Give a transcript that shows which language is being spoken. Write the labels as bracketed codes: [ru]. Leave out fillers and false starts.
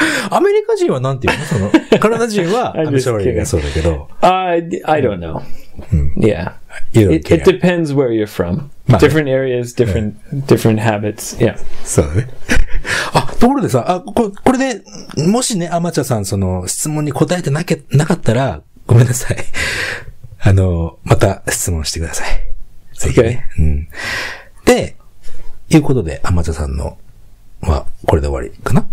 [ja] アメリカ人はなんて言うの? その、カナダ人は、 [en] I'm sorry [ja] がそうだけど。 [en] I don't know.、Mm. Yeah. You don't care. It depends where you're from.、まあ、different areas, different,、yeah. different habits. Yeah. [ja] そうだね。あ、ところでさ、あ、これで、もしね、アマチャさん、その、質問に答えてなけ、なかったら、ごめんなさい。あの、また質問してください。ぜひね、okay. うん。で、いうことで、アマチャさんの、まあ、これで終わりかな。